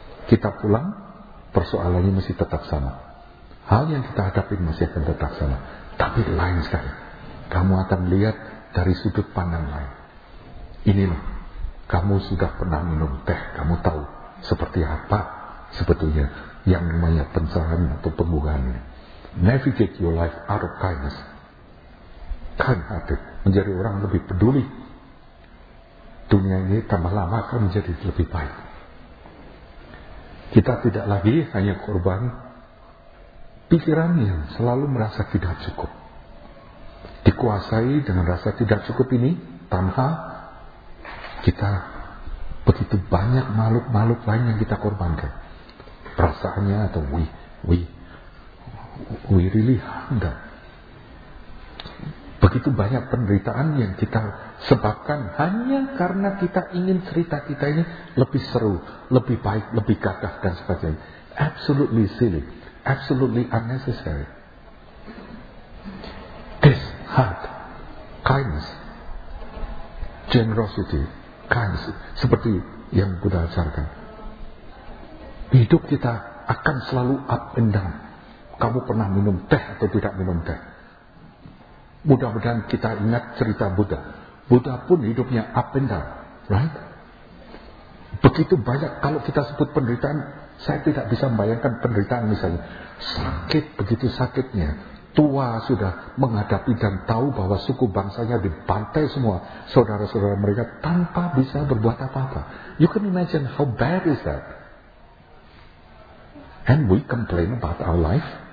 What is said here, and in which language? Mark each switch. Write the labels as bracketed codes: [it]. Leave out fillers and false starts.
[id] Kita pulang, persoalannya masih tetap sama. Hal yang kita hadapi masih akan tetap sama. Tapi lain sekali. Kamu akan lihat dari sudut pandang lain. Inilah, kamu sudah pernah minum teh, kamu tahu seperti apa sebetulnya yang namanya pencerahan atau pembukaannya. [en] Navigate your life out of kindness. Kind hearted, [id] menjadi orang lebih peduli. Dunia ini tambah lama akan menjadi lebih baik. Kita tidak lagi hanya korban pikiran yang selalu merasa tidak cukup. Dikuasai dengan rasa tidak cukup ini, tanpa kita begitu banyak makhluk-makhluk lain yang kita korbankan. Perasaannya atau [en] we really hunger. [id] Begitu banyak penderitaan yang kita sebabkan hanya karena kita ingin cerita kita ini lebih seru, lebih baik, lebih gagah dan sebagainya. [en] Absolutely silly. Absolutely unnecessary. This heart, kindness, generosity, kindness, [id] seperti yang Buddha ajarkan. Hidup kita akan selalu [en] up and down. [id] Kamu pernah minum teh atau tidak minum teh? Mudah-mudahan kita ingat cerita Buddha. [en] Buddha [id] pun hidupnya [en] up and down, right? [id] Begitu banyak, kalau kita sebut penderitaan, saya tidak bisa membayangkan penderitaan misalnya. Sakit, begitu sakitnya. Tua sudah menghadapi dan tahu bahwa suku bangsanya dibantai semua. Saudara-saudara mereka tanpa bisa berbuat apa-apa. [en] You can imagine how bad is that. And we complain about our life.